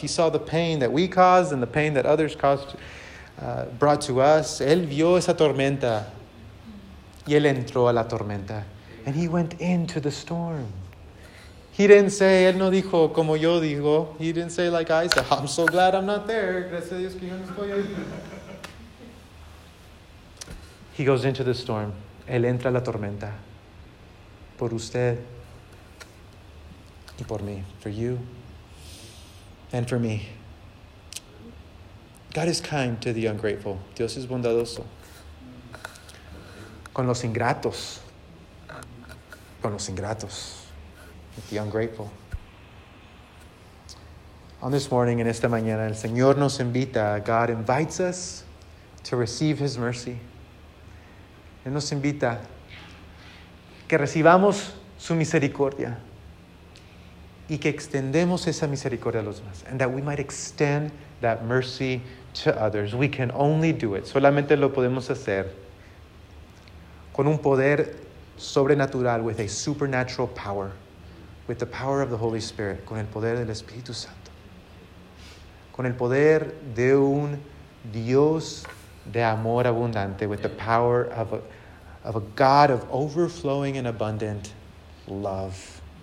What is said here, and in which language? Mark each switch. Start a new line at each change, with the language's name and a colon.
English: He saw the pain that we caused and the pain that others caused, brought to us.
Spanish: Él vio esa tormenta Y él entró a la tormenta.
English: And he went into the storm. He didn't say,
Spanish: él no dijo como yo digo.
English: He didn't say like I said, I'm so glad I'm not there.
Spanish: Gracias a Dios que yo no estoy ahí.
English: He goes into the storm.
Spanish: Él entra a la tormenta. Por usted. Y por mí.
English: For you. And for me. God is kind to the ungrateful.
Spanish: Dios es bondadoso. Con los ingratos. Con los ingratos.
English: With the ungrateful. On this morning,
Spanish: en esta mañana, el Señor nos invita.
English: God invites us to receive His mercy.
Spanish: Él nos invita que recibamos su misericordia y que extendemos esa misericordia a los demás.
English: And that we might extend that mercy to others. We can only do it.
Spanish: Solamente lo podemos hacer con un poder sobrenatural,
English: with a supernatural power, with the power of the Holy Spirit,
Spanish: con el poder del Espíritu Santo, con el poder de un Dios de amor abundante,
English: with the power of a God of overflowing and abundant love.